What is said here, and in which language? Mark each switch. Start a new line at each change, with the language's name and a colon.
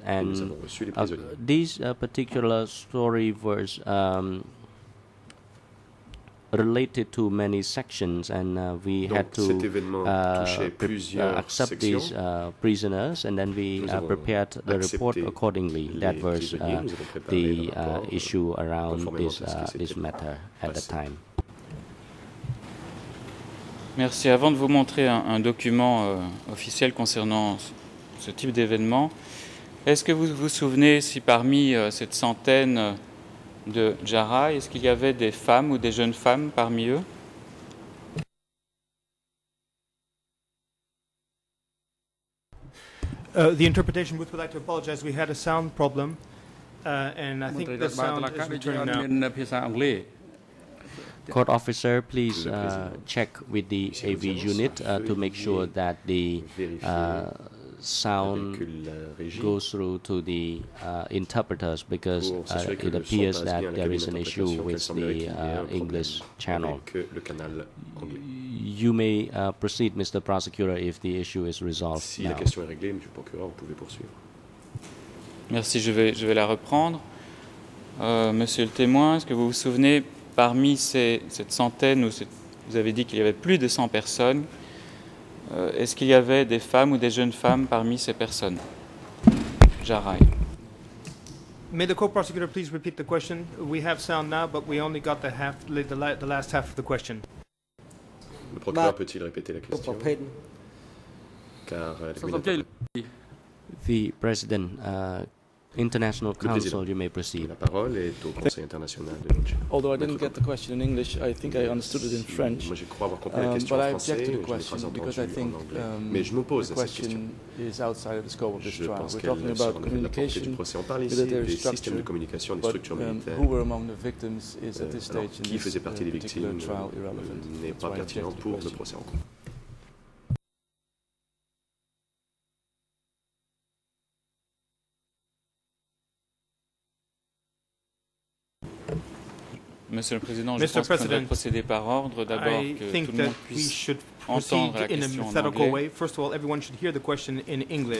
English: And this particular story was related to many sections, and we had to accept these prisoners, and then we prepared the report accordingly. That was the issue around this matter at the time.
French: Merci. Avant de vous montrer un document officiel concernant ce type d'événement, est-ce que vous vous souvenez si parmi cette centaine de Jarai, est-ce qu'il y avait des femmes ou des jeunes femmes parmi eux?
English: The interpretation, we would like to apologize, we had a sound problem, and I think the sound is returning now. Court officer, please check with the AV unit to make sure that the sound goes through to the interpreters, because it appears that there is an issue with the English channel. You may proceed, Mr. Prosecutor, if the issue is resolved.
French: Si la question est réglée, Monsieur le Procureur, vous pouvez poursuivre. Merci. Je vais la reprendre. Monsieur le témoin, est-ce que vous vous souvenez parmi cette centaine, où vous avez dit qu'il y avait plus de 100 personnes? Est-ce qu'il y avait des femmes ou des jeunes femmes parmi ces personnes? Jarai.
English: May the co-prosecutor please repeat the question? We have sound now, but we only got the last half of the question.
French: Le procureur peut-il répéter la question? Car
English: the president, international counsel, you may proceed.
French: La parole est au Conseil international de l'ONG.
English: Although I didn't get the question in English, I think I understood it in French.
French: Moi, je crois avoir compris la question en français, mais je l'ai pas entendu en anglais. Mais je m'oppose à cette question.
English: Is outside of the scope of this trial.
French: Je pense qu'elle sera en dehors du procès. On parle ici des systèmes de communication, des structures militaires.
English: Who were among the victims is at this stage in this particular trial irrelevant.
French: N'est pas pertinent pour le procès en cours. Monsieur le Président, je pense qu'on doit procéder par ordre. D'abord, que tout le monde puisse entendre la question en anglais.
English: First of all, everyone should hear the question in English.